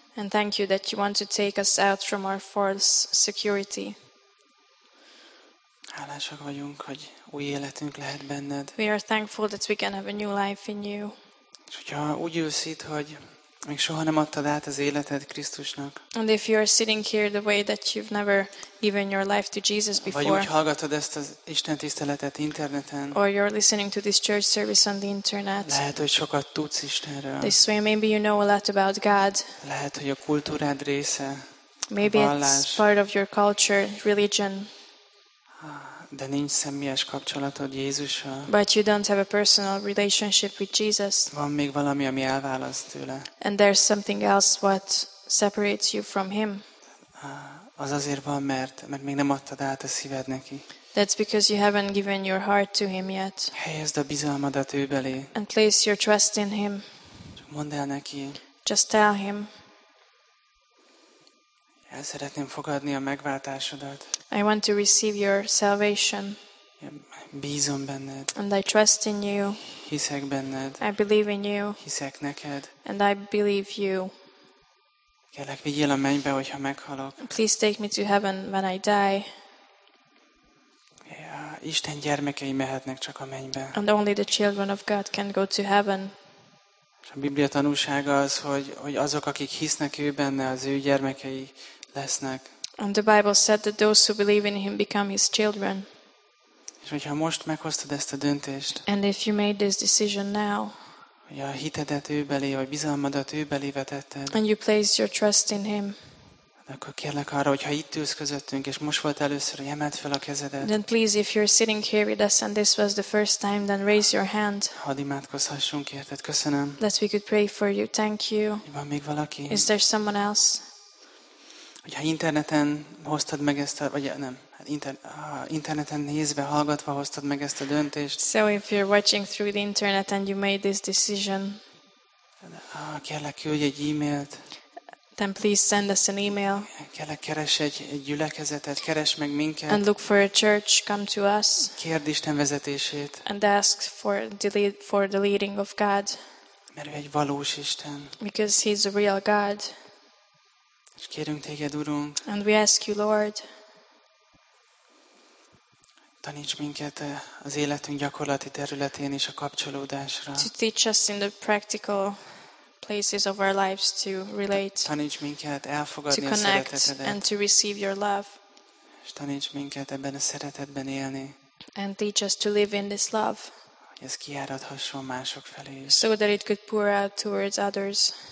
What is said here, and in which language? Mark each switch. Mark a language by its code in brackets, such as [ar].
[en] And thank you that you want to take us out from our false security. [hu] Hálásak vagyunk, hogy új életünk lehet benned. [en] We are thankful that we can have a new life in you. [hu] És hogyha úgy ülsz itt, hogy még soha nem adtad át az életed Krisztusnak. [en] And if you are sitting here the way that you've never given your life to Jesus before. [hu] Vagy úgy hallgatod ezt az Isten tiszteletet interneten. [en] Or you're listening to this church service on the internet. [hu] Lehet, hogy sokat tudsz Istenről. [en] This way maybe you know a lot about God. [hu] Lehet, hogy a kultúrád része. [en] Maybe [hu] a vallás, [en] it's part of your culture, religion. [hu] De nincs személyes kapcsolatod Jézussal. [en] But you don't have a personal relationship with Jesus. [hu] Van még valami, ami elválaszt tőle. [en] And there's something else what separates you from him. [hu] Az azért van, mert még nem adtad át a szíved neki. [en] That's because you haven't given your heart to him yet. [hu] Helyezd a bizalmadat ő belé. [en] And place your trust in him. [hu] Mondd el neki. [en] Just tell him. [hu] El szeretném fogadni a megváltásodat. [en] I want to receive your salvation. [hu] Bízom benned. [en] And I trust in you. [hu] Hiszek benned. [en] I believe in you. [hu] Hiszek neked. [en] And I believe you. [hu] Kérlek, vigyél a mennybe, hogyha meghalok. [en] Please take me to heaven when I die. [hu] Isten gyermekei mehetnek csak a mennybe. [en] And only the children of God can go to heaven. [hu] A Biblia tanúsága az, hogy azok, akik hisznek ő benne, az ő gyermekei lesznek. [en] And the Bible said that those who believe in him become his children. [hu] És hogyha most meghoztad ezt a döntést, [en] and if you made this decision now, [hu] hogy a hitedet ő belé, vagy bizalmadat ő belé vetetted, [en] and you placed your trust in him, [hu] akkor kérlek arra, hogyha itt ülsz közöttünk, és most volt először, hogy emeld fel a kezedet. [en] Then please, if you're sitting here with us and this was the first time, then raise your hand. [hu] Hadd imádkozhassunk érted. Köszönöm. [en] That we could pray for you. Thank you. [hu] Van még valaki? [en] Is there someone else? [hu] Hogyha interneten hoztad meg ezt a, vagy nem, interneten nézve, hallgatva hoztad meg ezt a döntést. [en] So if you're watching through the internet and you made this decision. [hu] Kérlek, küldj egy e-mailt. [en] Then please send us an email. [hu] Kérlek, keresd egy gyülekezetet, keresd meg minket. [en] And look for a church, come to us. [hu] Kérd Isten vezetését. [en] And ask for the leading of God. [hu] Mert ő egy valós Isten. [en] Because he's a real God. [hu] És kérünk téged, Urunk. [en] And we ask you, Lord. [hu] Taníts minket az életünk gyakorlati területén is a kapcsolódásra. [en] To teach us in the practical places of our lives to relate. [hu] Taníts minket elfogadni a szeretetedet. [en] To connect and to receive your love. [hu] És taníts minket ebben a szeretetben élni. [en] And teach us to live in this love. [hu] Ez kiáradhasson mások felé. [en] So that it could pour out towards others.